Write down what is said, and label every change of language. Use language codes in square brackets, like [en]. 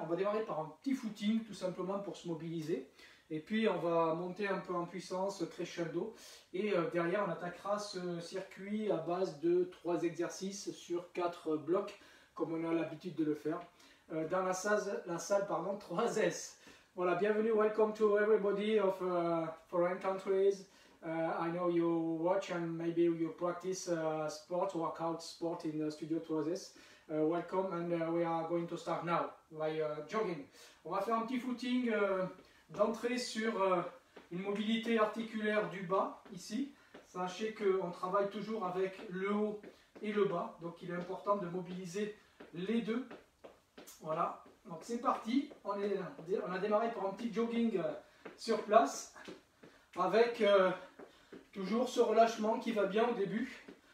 [fr] On va démarrer par un petit footing tout simplement pour se mobiliser. Et puis on va monter un peu en puissance, crescendo. Et derrière, on attaquera ce circuit à base de 3 exercices sur 4 blocs, comme on a l'habitude de le faire, dans la salle 3S. Voilà, bienvenue, [en] welcome to everybody of foreign countries. I know you watch and maybe you practice workout sport in the studio 3S. Welcome and we are going to start now by jogging. [fr] On va faire un petit footing d'entrée sur une mobilité articulaire du bas ici. Sachez qu'on travaille toujours avec le haut et le bas, donc il est important de mobiliser les deux. Voilà, donc c'est parti. On a démarré par un petit jogging sur place avec toujours ce relâchement qui va bien au début.